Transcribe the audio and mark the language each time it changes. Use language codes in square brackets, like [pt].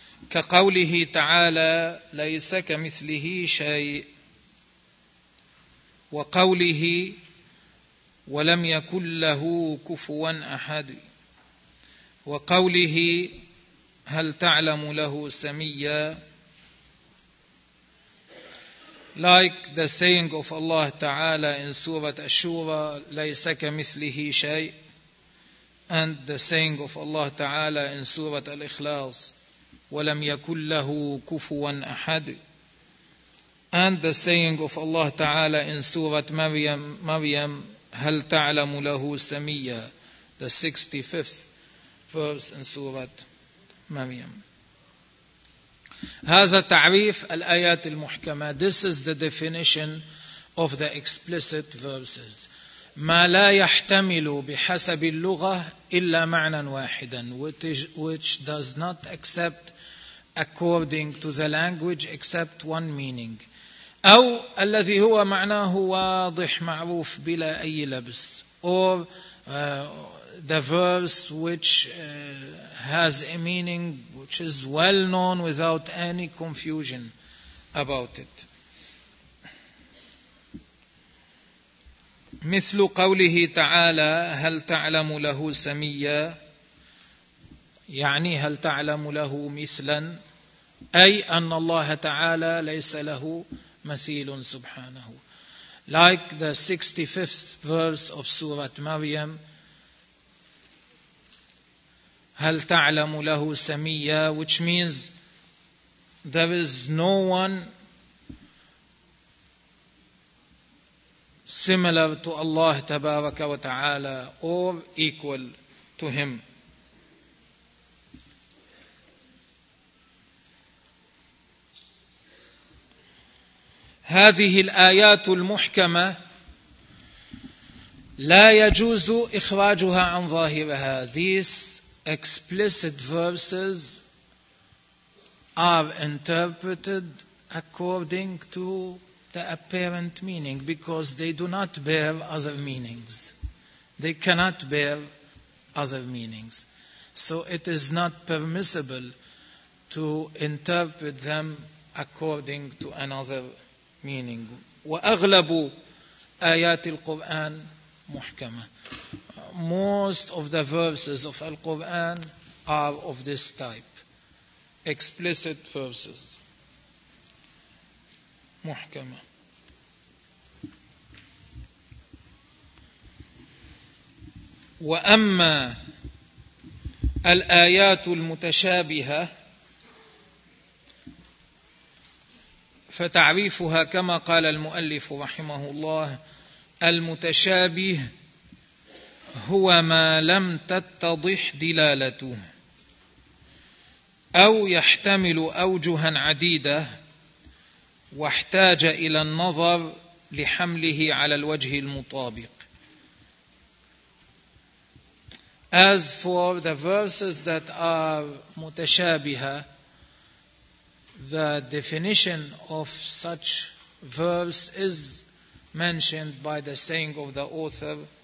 [ar] كقوله تعالى ليس كمثله شيء, وقوله ولم يكن له كفوا أحد, وقوله هل تعلم له سميا. [en] Like the saying of Allah Ta'ala in Surah Ash-Shura, [ar] لَيْسَ كَمِثْلِهِ شَيْءٍ, [en] and the saying of Allah Ta'ala in Surah Al-Ikhlas, [ar] وَلَمْ يَكُلْ لَهُ كُفُوًا أَحَدٍ, [en] and the saying of Allah Ta'ala in Surah Maryam, [ar] هَلْ تَعْلَمُ لَهُ سَمِيًّا, [en] the 65th verse in Surah Maryam. [ar] هذا تعريف الآيات المحكمة. [en] This is the definition of the explicit verses. [ar] ما لا يحتمل بحسب اللغة إلا معنى واحدا, [en] which does not accept according to the language except one meaning. [ar] أو الذي هو معناه واضح معروف بلا أي لبس. [en] Or the verse which has a meaning which is well known without any confusion about it. [ar] مثل قوله تعالى هل تعلم له سميا, يعني هل تعلم له مثلا, أي أن الله تعالى ليس له مثيل سبحانه. [en] Like the 65th verse of Surah Maryam, [ar] هَلْ تَعْلَمُ لَهُ سَمِيَّا, [en] which means there is no one similar to Allah [ar] تبارك وتعالى [en] or equal to Him. [ar] هذه الآيات المحكمة لا يجوز إخراجها عن ظاهرها. [en] Explicit verses are interpreted according to the apparent meaning because they do not bear other meanings. They cannot bear other meanings. So it is not permissible to interpret them according to another meaning. [ar] وأغلب آيات القرآن محكمة. [en] Most of the verses of Al-Quran are of this type. Explicit verses. [ar] محكمة. وأما الآيات المتشابهة فتعريفها كما قال المؤلف رحمه الله: المتشابه هو ما لم تتضح دلالته أو يحتمل أوجها عديدة واحتاج إلى النظر لحمله على الوجه المطابق. [en] As for the verses that are mutashabiha, the definition of such verse is mentioned by the saying of the author.